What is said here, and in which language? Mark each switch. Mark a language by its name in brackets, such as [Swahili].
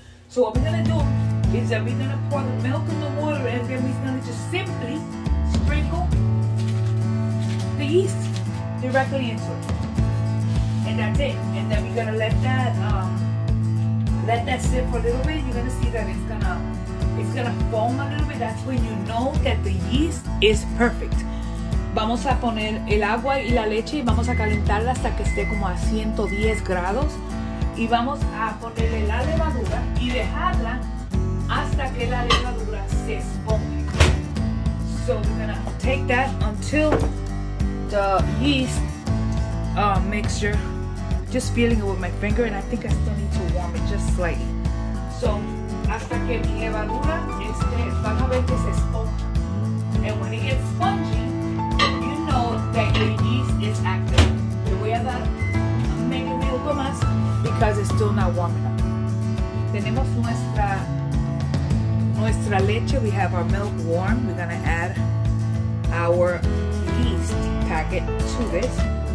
[English] So what we're gonna do is that we're gonna pour the milk in the water and then we're gonna just simply sprinkle the yeast directly into it. And that's it. And then we're gonna let that sit for a little bit. You're gonna see that it's gonna foam a little bit. That's when you know that the yeast is perfect. [Spanish] Vamos a poner el agua y la leche y vamos a calentarla hasta que esté como a 110 grados. Y vamos a ponerle la levadura y dejarla hasta que la levadura se esponje. [English] So we're gonna take that until the yeast mixture, just feeling it with my finger, and I think I still need to warm it just slightly. [Spanish] So hasta que mi levadura esté, van a ver que se esponja. [English] And when it gets spongy, you know that your yeast is active. [Spanish] Le voy a dar medio minuto más. [English] Because it's still not warm enough. [Spanish] Tenemos nuestra leche. [English] We have our milk warm. We're gonna add our yeast packet to this.